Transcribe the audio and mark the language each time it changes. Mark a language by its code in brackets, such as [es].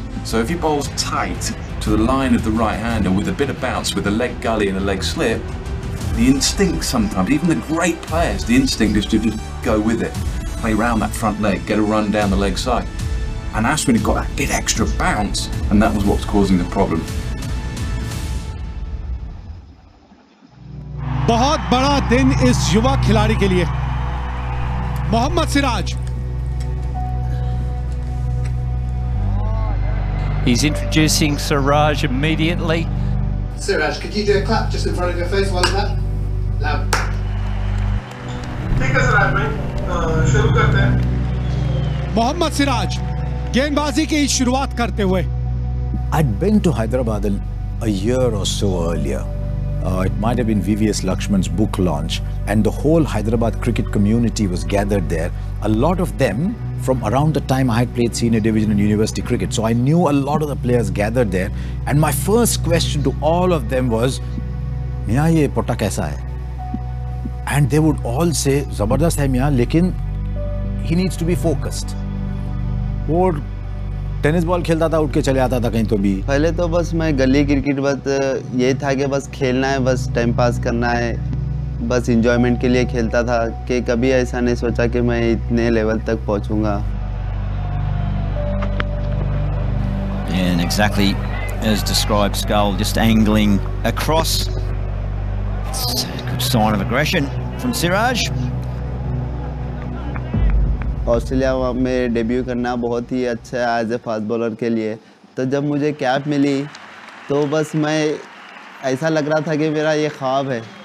[en] So if he bowls tight to the line of the right-hander with a bit of bounce, with a leg gully and a leg slip, the instinct sometimes, even the great players, the instinct is to just go with it, play around that front leg, get a run down the leg side. And Ashwin had got that bit extra bounce, and that was what was causing the problem. [hi] बहुत बड़ा दिन इस युवा खिलाड़ी के लिए, Mohammad Siraj. [en] He's introducing Siraj immediately. Siraj, could you do a clap just in front of your face while that? Loud. [hi] ठीक है सिराज भाई, शुरू करते हैं. मोहम्मद सिराज, गेंदबाजी की शुरुआत करते हुए. [en] I'd been to Hyderabad a year or so earlier. It might have been VVS Lakshman's book launch, and the whole Hyderabad cricket community was gathered there. A lot of them from around the time I had played senior division in university cricket. So I knew a lot of the players gathered there. And my first question to all of them was, [hi] "Mia, ye pota kaisa hai?" [en] And they would all say, [hi] "Zabardast hai mia, lekin [en] he needs to be focused." [hi] Or tennis ball खेलता था, उठ के चले आता था कहीं तो भी. पहले तो बस मैं गली क्रिकेट, बस ये था कि बस खेलना है, बस टाइम पास करना है, बस इंजॉयमेंट के लिए खेलता था, कि कभी ऐसा नहीं सोचा कि मैं इतने लेवल तक पहुंचूंगा. [en] And exactly as described, Skull just angling across. It's a good sign of aggression from Siraj. [hi] Australia में डेब्यू करना बहुत ही अच्छा है [en] as a fast bowler [hi] के लिए. तो जब मुझे कैप मिली तो बस मैं ऐसा लग रहा था कि मेरा ये ख्वाब है.